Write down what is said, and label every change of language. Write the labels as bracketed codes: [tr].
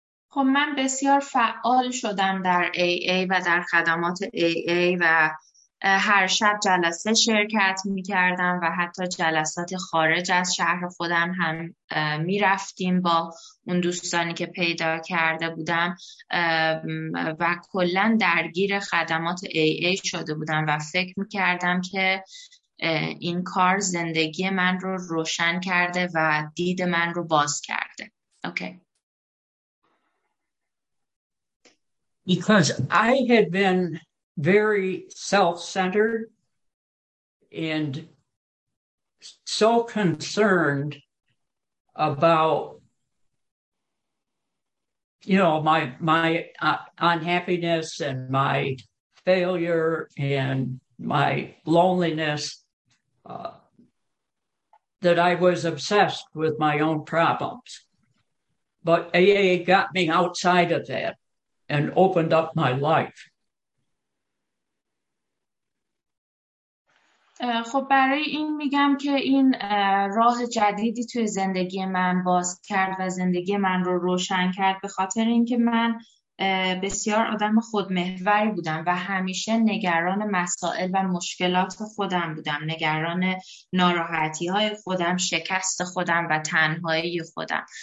[fa] خب من بسیار فعال شدم در AA و در خدمات AA و هر شب جلسه شرکت می کردم و حتی جلسات خارج از شهر خودم هم می رفتیم با اون دوستانی که پیدا کرده بودم و کلن درگیر خدمات AA شده بودم و فکر می کردم که این کار زندگی من رو روشن کرده و دید من رو باز کرده. [en] Okay. Because I had been very self-centered and so concerned about, you know, my unhappiness and my failure and my loneliness, that I was obsessed with my own problems. But AA got me outside of that and opened up my life. [fa] خب برای این میگم که این راه جدیدی توی زندگی من باز کرد و زندگی من رو روشن کرد، به خاطر اینکه من بسیار آدم خودمحوری بودم و همیشه نگران مسائل و مشکلات خودم بودم، نگران ناراحتی های خودم، شکست خودم و تنهایی خودم.